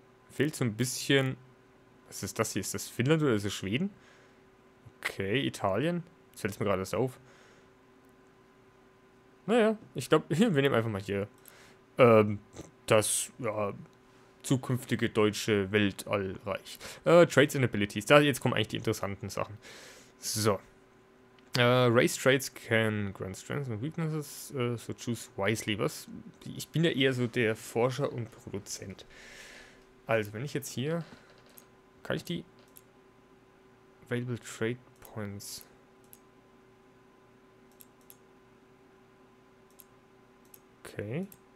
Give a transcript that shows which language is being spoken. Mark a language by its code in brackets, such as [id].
[de] Fehlt so ein bisschen. Was ist das hier? Ist das Finnland oder ist es Schweden? Okay, Italien. Jetzt fällt es mir gerade erst auf. Naja, ich glaube, wir nehmen einfach mal hier das zukünftige deutsche Weltallreich. [en] Trades and Abilities. [de] Da jetzt kommen eigentlich die interessanten Sachen. So. [en] Race Trades can grant strengths and weaknesses, so choose wisely. [de] Ich bin ja eher so der Forscher und Produzent. Also, wenn ich jetzt hier. Kann ich die Available Trade Points Okay.